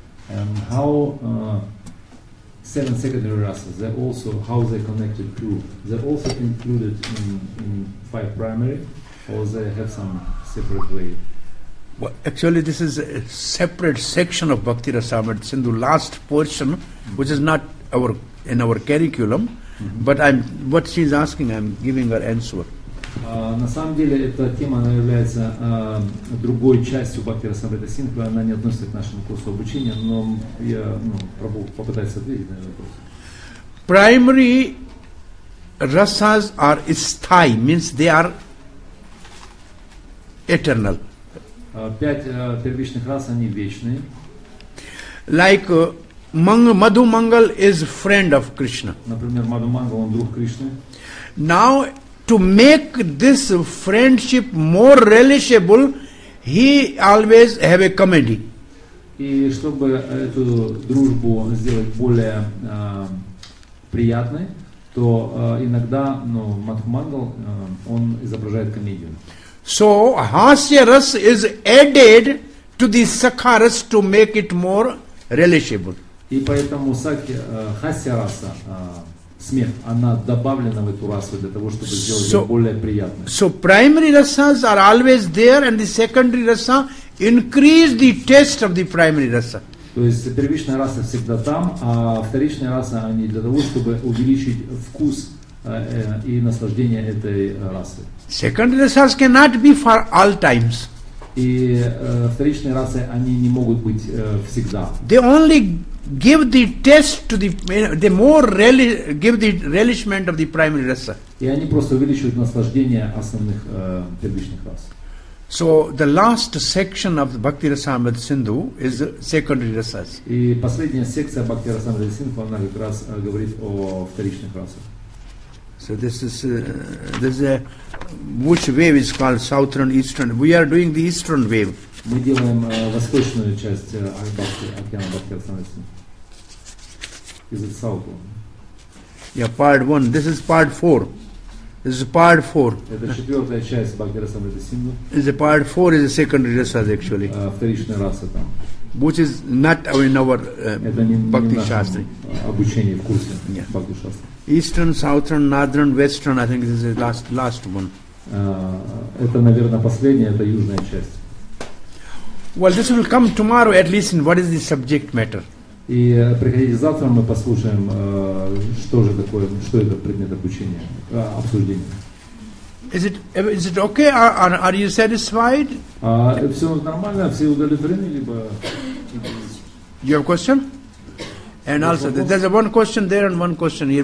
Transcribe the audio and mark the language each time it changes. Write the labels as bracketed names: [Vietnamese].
[English] And how seven secondary rasas, they also, how they connected to, they also included in five primary, or they have some separate way? Well, actually, this is a separate section of Bhakti Rasamrita Sindhu, last portion, which is not our in our curriculum, but I'm what she's asking, I'm giving her answer. [Russian] На самом деле эта тема она является другой частью Бхакти Расамрита Сингху, она не относится к нашему курсу обучения, но я попытаюсь ответить на вопрос. [English] Primary rasas are sthai, means they are eternal. [Russian] Пять первичных рас они вечные. [English] Like Madhu Mangal is friend of Krishna. [Russian] Например, Madhu Mangal, он друг Кришны. [English] Now, to make this friendship more relishable, he always have a comedy. [Russian] И чтобы эту дружбу сделать более приятной, то иногда, ну, Madhu Mangal, он изображает комедию. [English] So, Hasya Ras is added to the Sakha Ras to make it more relishable. [Russian] И поэтому хасья раса, смех, она добавлена в эту расу для того, чтобы сделать ее более приятной. [English] So primary rasas are always there, and the secondary rasa increase the taste of the primary rasa. [Russian] То есть первичная раса всегда там, а вторичная раса они для того, чтобы увеличить вкус и наслаждение этой расы. [English] Secondary rasas cannot be for all times. [Russian] И вторичные расы они не могут быть всегда. [English] They only give the taste to the more relish, give the relishment of the primary rasa. [Russian] И они просто увеличивают наслаждение основных первичных рас. [English] So the last section of Bhakti Rasamrita Sindhu is secondary rasas. [Russian] И последняя секция Бхакти Расамрита Синдху она как раз говорит о вторичных расах. [English] So this is a which wave is called southern eastern. We are doing the eastern wave. [Russian] Мы делаем восточную часть Альбакти, океана Бхакти Расамрита. [English] Is it south one? Yeah, part one. This is part four. This is part four. [Russian] Это четвертая часть Бхакти Расамрита Сингху. [English] Is the part four is a secondary rasa actually. [Russian] Вторичная раса там. [English] Which is not in our Bhakti Shastri. [Russian] Обучение в курсе Бхакти Шастри. [English] Eastern, southern, northern, western, I think this is the last one. [Russian] Это, наверное, последняя, это южная часть. [English] Well, this will come tomorrow at least in what is the subject matter. [Russian] И приходите завтра, мы послушаем, что же такое, что это предмет обучения, обсуждения. [English] Is it okay? Are you satisfied? [Russian] Все нормально, все удовлетворены, либо... [English] You have a question? And also, there's one question there and one question here.